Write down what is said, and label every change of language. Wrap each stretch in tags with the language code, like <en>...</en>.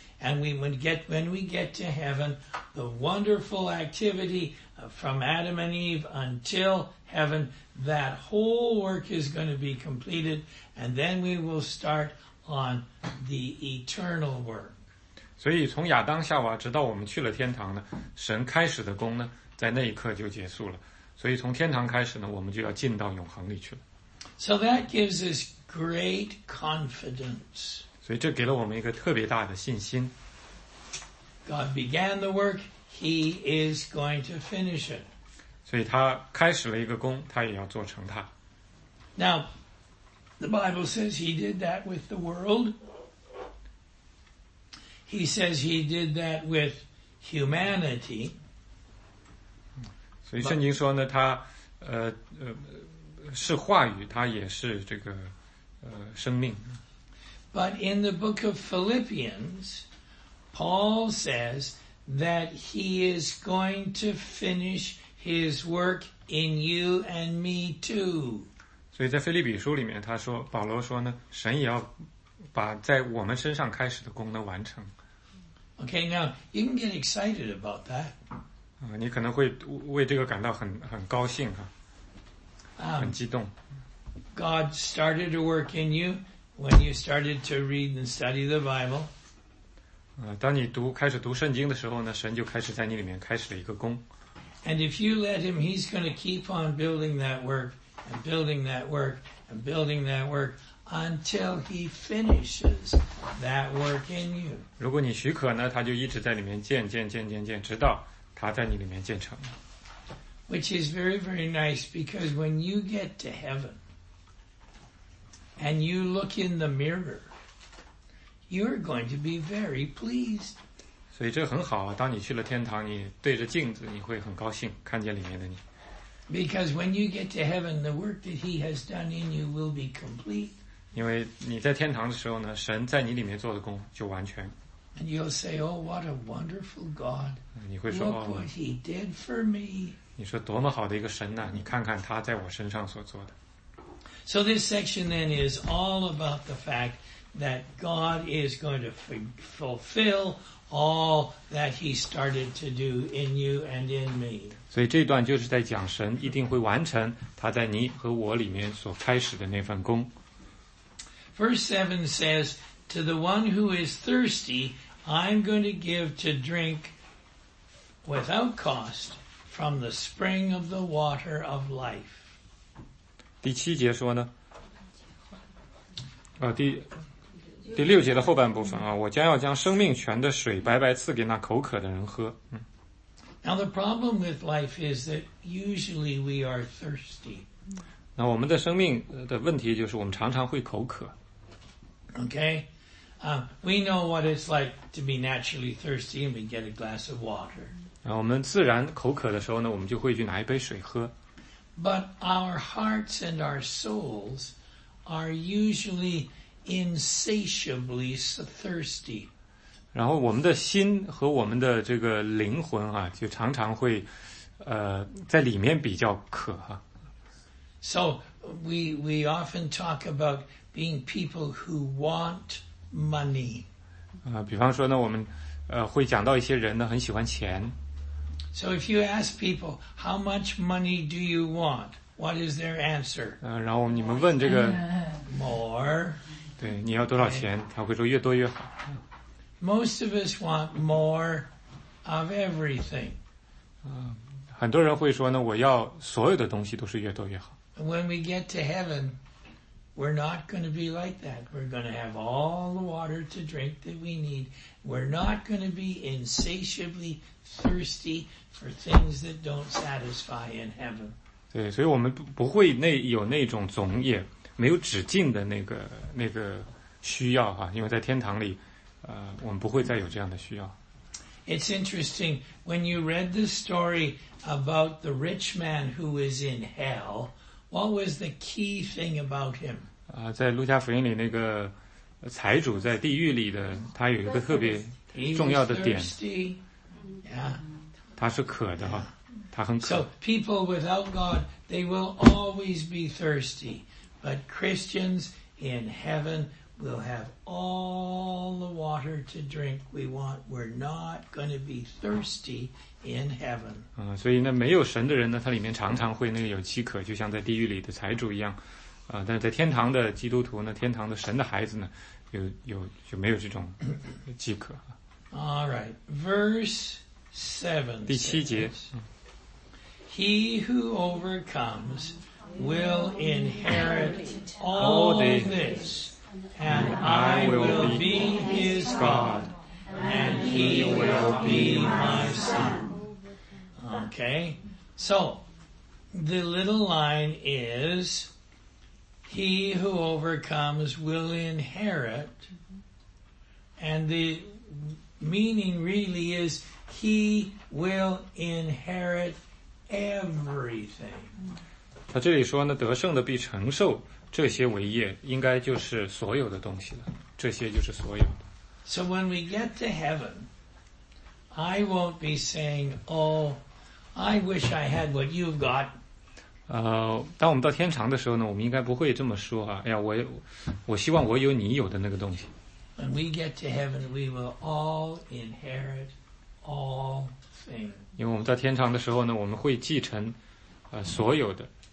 <en>And when we get to heaven, the wonderful activity from Adam and Eve until heaven, that whole work is going to be completed. And then we will start on the eternal work.</en> <zh>所以从亚当夏娃直到我们去了天堂呢，神开始的工呢，在那一刻就结束了。所以从天堂开始呢，我们就要进到永恒里去了。</zh> <en>So that gives us great confidence.</en> <zh>所以这给了我们一个特别大的信心。</zh> <en>God began the work, he is going to finish it.</en> <zh>所以他开始了一个工，他也要做成它。</zh> <en>Now, the Bible says he did that with the world. He says he did that with humanity.</en> <zh>所以圣经说呢，他是话语，他也是这个生命。</zh> <en>But in the book of Philippians, Paul says that he is going to finish his work in you and me too.</en> <zh>所以在腓立比书里面，他说保罗说呢，神也要把在我们身上开始的功能完成。</zh> <en>Okay, now you can get excited about that.</en> <zh>你可能会为这个感到很高兴哈。</zh> <en>God started to work in you when you started to read and study the Bible.</en> <zh>当你开始读圣经的时候呢，神就开始在你里面开始了一个工。</zh> <en>And if you let him, he's going to keep on building that work and building that work and building that work until he finishes that work in you.</en> <zh>如果你许可呢，他就一直在里面建建建建建，直到他在你里面建成。</zh> <en>Which is very, very nice because when you get to heaven and you look in the mirror, you're going to be very pleased.</en> <zh>所以这很好啊，当你去了天堂，你对着镜子，你会很高兴，看见里面的你。</zh> <en>Because when you get to heaven, the work that he has done in you will be complete.</en> <zh>因为你在天堂的时候呢，神在你里面做的工就完全。</zh> <en>And you'll say, oh, what a wonderful God.</en> <zh>你会说</zh> <en>look what he did for me.</en> <zh>你说多么好的一个神啊，你看看他在我身上所做的。</zh> <en>So this section then is all about the fact that God is going to fulfill all that he started to do in you and in me.</en> <zh>所以这段就是在讲神一定会完成他在你和我里面所开始的那份工。</zh> <en>Verse 7 says, to the one who is thirsty, I'm going to give to drink without cost from the spring of the water of life.</en> <zh>第七节说呢？第六节的后半部分啊，我将要将生命泉的水白白赐给那口渴的人喝。</zh> <en>Now the problem with life is that usually we are thirsty.</en> <zh>那我们的生命的问题就是我们常常会口渴。</zh> <en>Okay, we know what it's like to be naturally thirsty and we get a glass of water.</en> <zh>那我们自然口渴的时候呢，我们就会去拿一杯水喝。</zh> <en>But our hearts and our souls are usually insatiably thirsty.</en> <zh>然后我们的心和我们的这个灵魂啊，就常常会，在里面比较渴哈。</zh> <en>So we often talk about being people who want money.</en> <zh>比方说呢，我们会讲到一些人呢很喜欢钱。</zh> <en>So if you ask people how much money do you want, what is their answer?</en> <zh>然后你们问这个</zh> <en>more.</en> <zh>对，你要多少钱？Okay. 他会说越多越好。</zh> <en>Most of us want more of everything.</en> <zh>很多人会说呢，我要所有的东西都是越多越好。</zh> <en>When we get to heaven, we're not going to be like that. We're going to have all the water to drink that we need. We're not going to be insatiably thirsty for things that don't satisfy in heaven.</en> <zh>对，所以我们不会有那种总也。没有止境的那个需要哈，因为在天堂里，我们不会再有这样的需要。</zh> <en>It's interesting when you read the story about the rich man who was in hell. What was the key thing about him?</en> <zh>在路加福音里那个财主在地狱里的，他有一个特别重要的点。</zh> <en>He was thirsty. Yeah.</en> <zh>他是渴的哈，他很渴。</zh> <en>So people without God, they will always be thirsty. But Christians in heaven will have all the water to drink we want. We're not going to be thirsty in heaven.</en> <zh>所以呢，没有神的人呢，他里面常常会那个有饥渴，就像在地狱里的财主一样。但是在天堂的基督徒呢，天堂的神的孩子呢，有没有这种饥渴？</zh> <en>All right, verse 7.</en> <zh>第七节。</zh> <en>He who overcomes. Will inherit all this, and I will be his God, and he will be my son. Okay, so the little line is, he who overcomes will inherit, and the meaning really is, he will inherit everything.</en> <zh>他这里说呢，得胜的必承受这些为业，应该就是所有的东西了。这些就是所有的。</zh> <en>So when we get to heaven, I won't be saying, "Oh, I wish I had what you've got."</en> <zh>当我们到天堂的时候呢，我们应该不会这么说啊。哎呀，我希望我有你有的那个东西。</zh> <en>When we get to heaven, we will all inherit all things.</en> <zh>因为我们到天堂的时候呢，我们会继承，所有的。</zh>